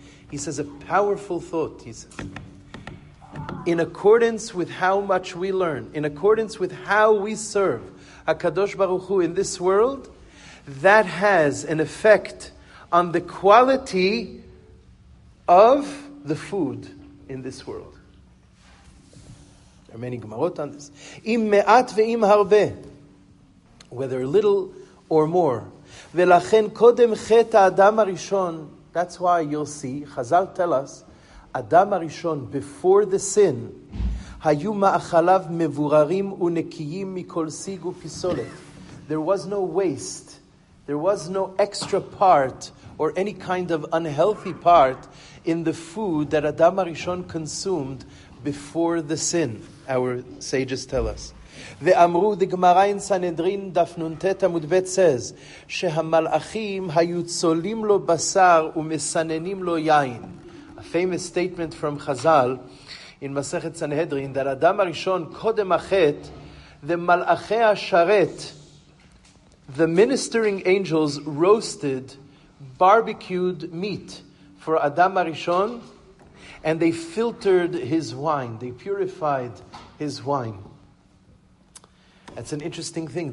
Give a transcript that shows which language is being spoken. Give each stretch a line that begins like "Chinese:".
English: He says a powerful thought. He says, in accordance with how much we learn, in accordance with how we serve HaKadosh Baruch Hu in this world, that has an effect on the quality of the food in this world. There are many gemarot on this.
Hebrew: Im me'at ve'im harbe,
English: whether little or more.
Hebrew: ולכן קודם חטא אדם הראשון,
English: that's why you'll see, Chazal tell us,
Hebrew: אדם הראשון, before the sin, היו מאכליו מבוררים ונקיים מכל סיג ופיסולת.
English: There was no waste, there was no extra part, or any kind of unhealthy part, in the food that אדם הראשון consumed before the sin, our sages tell us.
Hebrew: ואמרו,
English: the Gemara in Sanhedrin,
Hebrew: דף נ"ט עמוד ב' says, שהמלאכים היו צולים לו בשר ומסננים לו יין.
English: A famous statement from Chazal in Masechet Sanhedrin, that אדם הראשון,
Hebrew: קודם החטא,
English: the מלאכי השרת, the ministering angels roasted barbecued meat for אדם הראשון, and they filtered his wine, they purified his wine. That's an interesting thing.